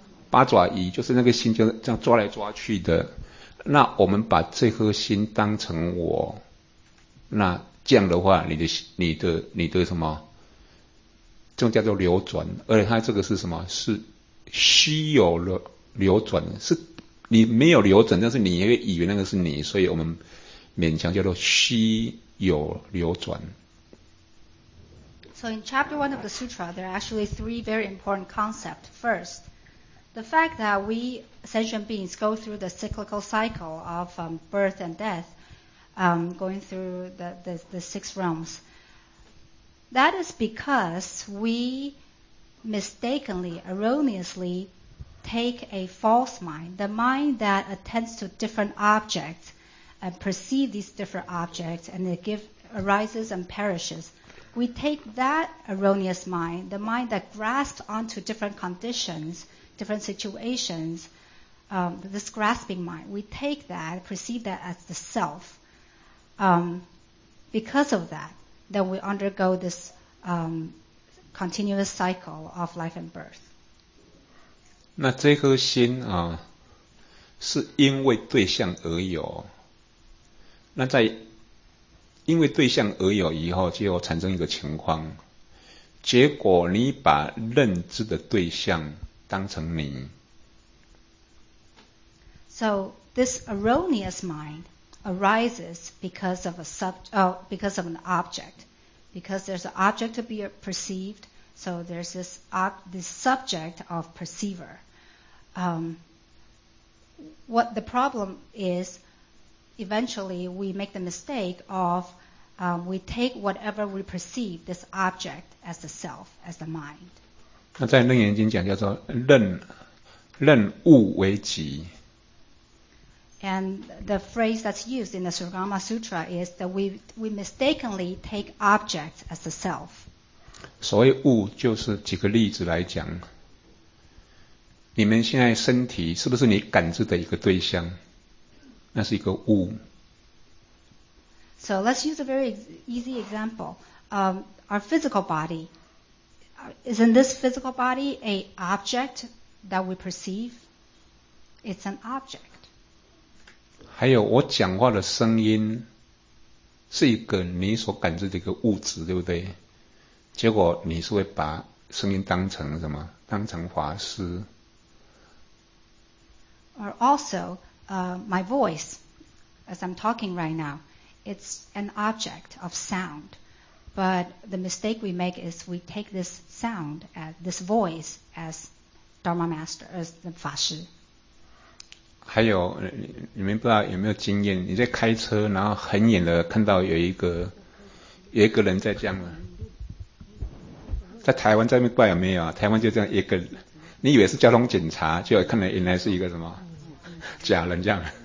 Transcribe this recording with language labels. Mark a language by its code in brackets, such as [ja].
[zh] 八爪鱼就是那个心，就这样抓来抓去的。那我们把这颗心当成我，那这样的话，你的什么，这种叫做流转。而且它这个是什么？是虚有流转，是你没有流转，但是你也以为那个是你，所以我们勉强叫做虚有流转。 [en] So in chapter one of the sutra, there are actually three very important concepts. First. The fact that we sentient beings go through the cyclical cycle of birth and death, going through the six realms, that is because we mistakenly, erroneously take a false mind, the mind that attends to different objects and perceive these different objects and it arises and perishes. We take that erroneous mind, the mind that grasps onto different conditions,different situations, this grasping mind, we take that, perceive that as the self. Because of that, then we undergo this continuous cycle of life and birth. [zh] 那这颗心啊，是因为对象而有。那在因为对象而有以后，就产生一个情况，结果你把认知的对象当成你。 [en] So this erroneous mind arises because of because of an object. Because there's an object to be perceived, so there's this subject of perceiver. What the problem is, eventually we make the mistake of we take whatever we perceive, this object, as the self, as the mind. [zh] 那在楞严经讲叫做认物为己。 [en] And the phrase that's used in the Surgama Sutra is that we mistakenly take objects as the self. [zh] 所谓物就是几个例子来讲，你们现在身体是不是你感知的一个对象？那是一个物。 [en] So let's use a very easy example. Our physical body. Isn't this physical body an object that we perceive? It's an object. [zh] 还有我讲话的声音是一个你所感知的一个物质，对不对？结果你是会把声音当成什么？当成法师。 [en] Or also, my voice, as I'm talking right now, it's an object of sound. But the mistake we make is we take this sound, this voice, as Dharma Master, as the [zh] 法师。还有，你们不知道有没有经验？你在开车，然后很远的看到有一个人在这样啊，在台湾这边不知道有没有啊？台湾就这样一个，你以为是交通警察，就看来原来是一个什么假人这样。